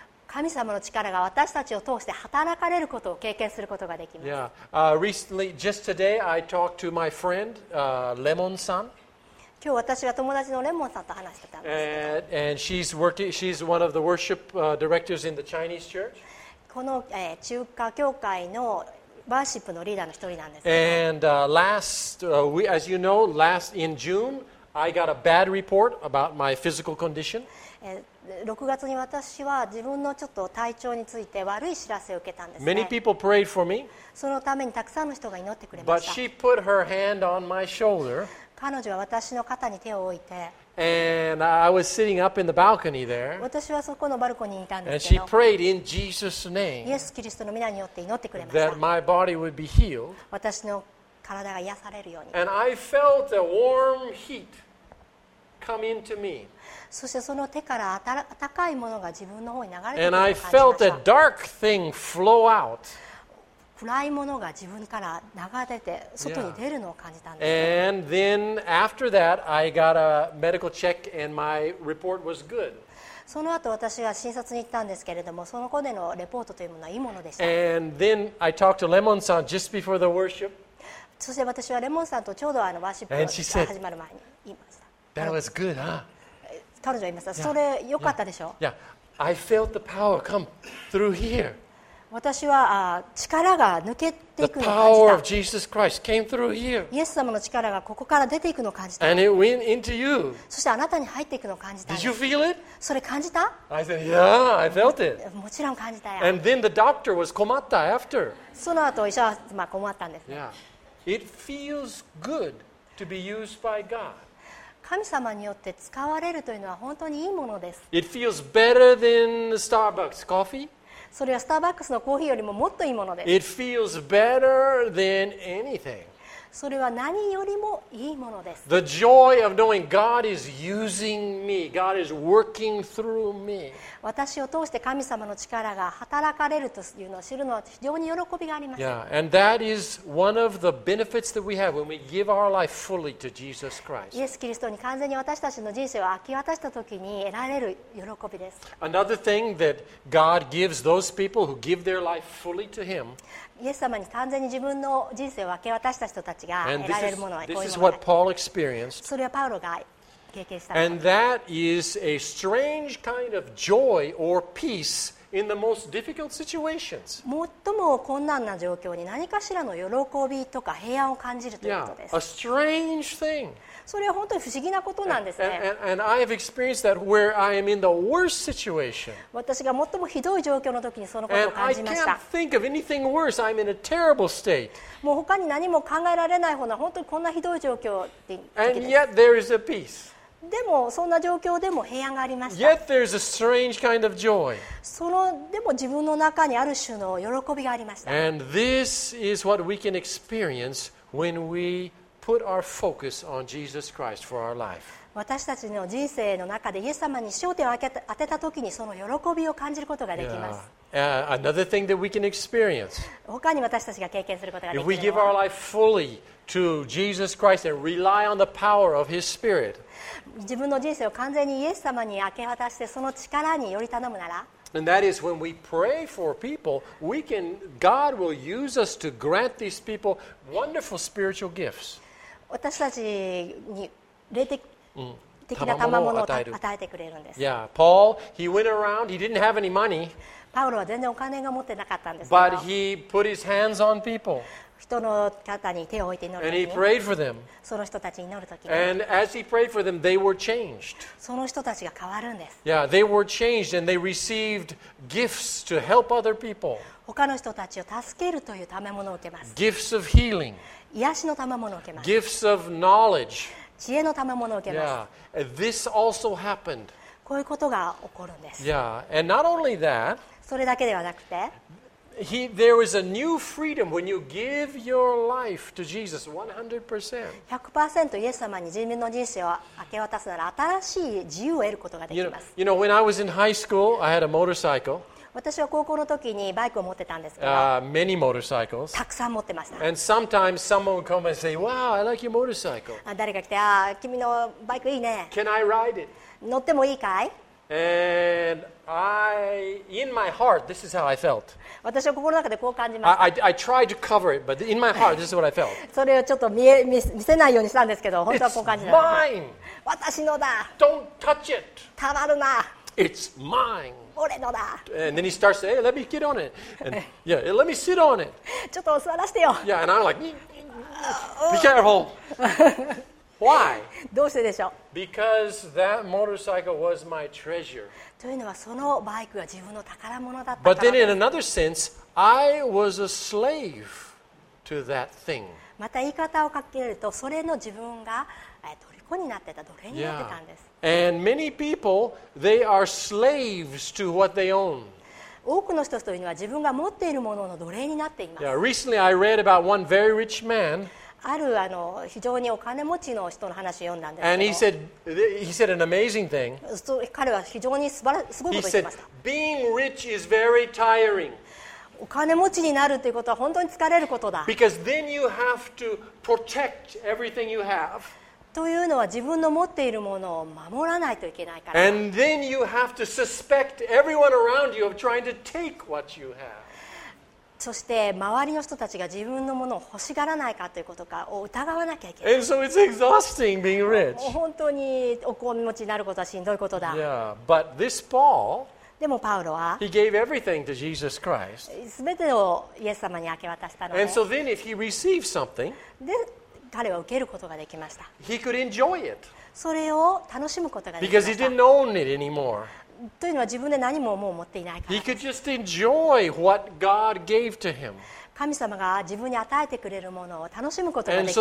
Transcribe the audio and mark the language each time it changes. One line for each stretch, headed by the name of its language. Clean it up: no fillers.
Japanese: 神様の力が私たちを通して働かれることを経験することができます。
English: Yeah. Recently, just today, I talked to my friend, Lemon-san.
Japanese: 今日私は友達のレモンさんと話してたんですけど。
English: And she's working. She's one of the worship directors in the Chinese church.
Japanese: この、中華教会のワーシップのリーダーの一人なんですけど。
English: And as you know, last in June, I got a bad report about my physical condition.
Japanese: 6月に私は自分のちょっと体調について悪い知らせを受けたんですね。
English: Many people prayed for me.
Japanese: そのためにたくさんの人が祈ってくれました。
English: But she put her hand on my shoulder.
Japanese: 彼女は私の肩に手を置いて。
English: And I was sitting up in the balcony there.
Japanese: 私はそこのバルコニーにいたんですけど。
English: And she prayed in Jesus' name.
Japanese: イエス・キリストの名によって祈ってくれました
English: 。That my body would be healed.
Japanese: 私の体が癒されるように。
English: And I felt a warm heat come into me.
Japanese: そしてその手から温かいものが自分の方に流れてくるのを感じました。
English: And I felt a dark thing flow out.
Japanese: 暗いものが自分から流れて外に出るのを感じたんです。
English: And then after that, I got a medical check and my report was good.
Japanese: その後私は診察に行ったんですけれども、その後でのレポートというものはいいものでした。
English: And then I talked to Lemon-san just before the worship.
Japanese: そして私はレモンさんとちょうどワーシップが始まる前に言いました。
English: That was good, huh?
Japanese: 彼女は言いました。それ良かったでしょ。
English: Yeah, I felt the power come through here.
Japanese: 私は力が抜けていくのを感じた。
English: The power of Jesus Christ came through here.
Japanese: イエス様の力がここから出ていくのを感じた。
English: And it went into you.
Japanese: そしてあなたに入っていくのを感じた。
English: Did you feel it?
Japanese: それ感じた？
English: I said, yeah, I felt it.
Japanese: もちろん感じたよ。
English: And then the doctor was
Japanese: 困った
English: after.
Japanese: その後医者は困ったんです。
English: Yeah, it feels good to be used by God.
Japanese: 神様によって使われるというのは本当にいいものです。
English: It feels better than Starbucks coffee.
Japanese: それはスターバックスのコーヒーよりももっといいものです。
English: It feels better than anything.
Japanese: それは何よりもいいものです。
English: The joy of knowing God is using me. God is working through me.
Japanese: 私を通して神様の力が働かれるというのを知るのは非常に喜びがあります。
English: Yeah, and that is one of the benefits that we have when we give our life fully to Jesus Christ.
Japanese: イエス・キリストに完全に私たちの人生を明け渡した時に得られる喜びです。
English: Another thing that God gives those people who give their life fully to Him.
Japanese: イエス様に完全に自分の人生を明け渡した人たちが得られるものはこういうものです。
English: This is what Paul experienced.
Japanese: それはパウロが。
English: And that is a strange kind of joy or peace in the most difficult situations.
Japanese: 最も困難な状況に何かしらの喜びとか平安を感じるということです。
English: Yeah, a strange thing.
Japanese: それは本当に不思議なことなんですね。
English: And I have experienced that where I am in the worst situation.
Japanese: 私が最もひどい状況の時にそのことを感じました。
English: And I can't think of anything worse. I'm in a terrible state.
Japanese: もう他に何も考えられないほど本当にこんなひどい状況って時です。
English: And yet there is a peace.
Japanese: でもそんな状況でも平安がありました。
English: Yet there's a strange kind of joy.
Japanese: そのでも自分の中にある種の喜びがありました。
English: And this is what we can experience when we put our focus on Jesus Christ for our life.
Japanese: 私たちの人生の中でイエス様に焦点を当てた時にその喜びを感じることができます。
English: Another thing that we can experience.
Japanese: 他に私たちが経験することができる。
English: If we give our life fully to Jesus Christ and rely on the power of His Spirit.
Japanese: 自分の人生を完全にイエス様に明け渡してその力により頼むなら、
English: And that is when we pray for people, we can, God will use us to grant these people wonderful spiritual gifts.
Japanese: 私たちに霊的、的な賜物を与えてくれるんです。
English: Yeah, Paul, he went around, he didn't have any money.
Japanese: パウロは全然お金が持ってなかったんですけど。
English: But he put his hands on people.
Japanese: 人の肩に手を置いて祈る
English: And he prayed for them.
Japanese: その人たちに祈る時に
English: And as he prayed for them, they were changed.
Japanese: その人たちが変わるんです。
English: Yeah, they were changed and they received gifts to help other people.
Japanese: 他の人たちを助けるという賜物を受けます。
English: Gifts of healing.
Japanese: 癒しの賜物を受けます。
English: Gifts of knowledge.
Japanese: 知恵の賜物を受けます。
English: Yeah, this also happened.
Japanese: こういうことが起こるんです。
English: Yeah, and not only that.
Japanese: それだけではなくて、
English: There is a new freedom when you give your life to Jesus 100%.
Japanese: 100% イエス様に自分の人生を明け渡すなら新しい自由を得ることができます。
English: You know, when I was in high school, I had a motorcycle.
Japanese: 私は高校の時にバイクを持ってたんですけど、
English: many motorcycles.
Japanese: たくさん持ってました。
English: And sometimes someone would come and say, "Wow, I like your motorcycle."
Japanese: 誰か来て、あ、君のバイクいいね。
English: Can I ride it?
Japanese: 乗ってもいいかい？
English: And in my heart, this is how I felt.
Japanese: 私は心の中でこう感じました。
English: I tried to cover it, but in my heart, this is what I felt.
Japanese: それをちょっと見せないようにしたんですけど、本当はこう感じました。
English: It's mine!
Japanese: 私のだ
English: Don't touch it!
Japanese: 触るな
English: It's mine!
Japanese: 俺のだ
English: And then he starts to say, hey, let me get on it. And, yeah, let me sit on it.
Japanese: ちょっと座らせてよ
English: Yeah, and I'm like, be careful! Why?
Japanese: どうしてでしょう?
English: Because that motorcycle was my treasure.
Japanese: というのはそのバイクが自分の宝物だったからです。
English: But then in another sense, I was a slave to that thing.
Japanese: また言い方をかけると、それの自分が虜になってた、奴隷になってたんです。
English: Yeah. And many people, they are slaves to what they own.
Japanese: 多くの人というのは自分が持っているものの奴隷になっています。
English: Yeah. Recently, I read about one very rich man.
Japanese: ある非常にお金持ちの人の話を読んだんですけど
English: And he said an amazing thing.
Japanese: 彼は非常にすごいことを言ってました。
English: He said, being rich is very tiring.
Japanese: お金持ちになるということは本当に疲れることだ。
English: Because then you have to protect everything you have.
Japanese: というのは自分の持っているものを守らないといけないから。
English: And then you have to suspect everyone around you of trying to take what you have.
Japanese: そして周りの人たちが自分のものを欲しがらないかということかを疑わなきゃいけない。
English: And so it's exhausting being rich.
Japanese: 本当にお金持ちになることはしんどいことだ。
English: Yeah, but this Paul,
Japanese: でもパウロは、
English: he gave everything to Jesus Christ.
Japanese: 全てをイエス様に明け渡したので、
English: And so then if he received something,
Japanese: で彼は受けることができました。
English: He could enjoy it.
Japanese: それを楽しむことができました。
English: Because he didn't own it anymore.
Japanese: というのは自分で何ももう持っていないからです。
English: He could just enjoy what God gave to him.
Japanese: 神様が自分に与えてくれるものを楽しむことができました。